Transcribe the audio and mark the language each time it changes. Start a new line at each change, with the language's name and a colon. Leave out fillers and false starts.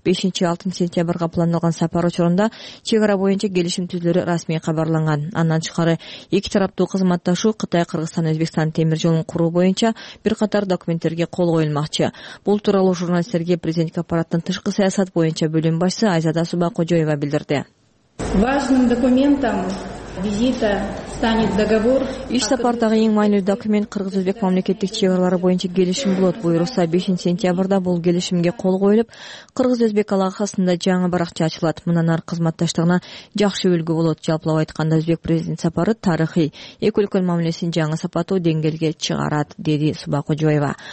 Kyrgyz: 5-6 сентябрга пландалган сапар учурунда чек ара боюнча келишим түзүлөрү расмий кабарланган. Андан тышкары эки тараптуу кызматташуу Кытай Кыргызстан Өзбекстан темир жолун куруу боюнча бир катар документтерге кол коюлмакчы. Бул тууралуу журналисттерге президенттик аппараттын тышкы саясат боюнча бөлүм башчысы Айзада Субакожоева билдирди.
Russian: Важным документом визита станет договор.
Kyrgyz: Иш сапардагы эң маанилүү документ кыргыз өзбек мамлекеттик чек аралары боюнча келишим болот. Буйруса 5-сентябрда бул келишимге кол коюлуп, кыргыз өзбек алакасында жаңы баракча ачылат. Мындан ары кызматташтыгына жакшы үлгү болот. Жалпылап айтканда өзбек президент сапары тарыхый, эки өлкөнүн мамилесин жаңы сапаттуу деңгээлге чыгарат, деди Субакожоева.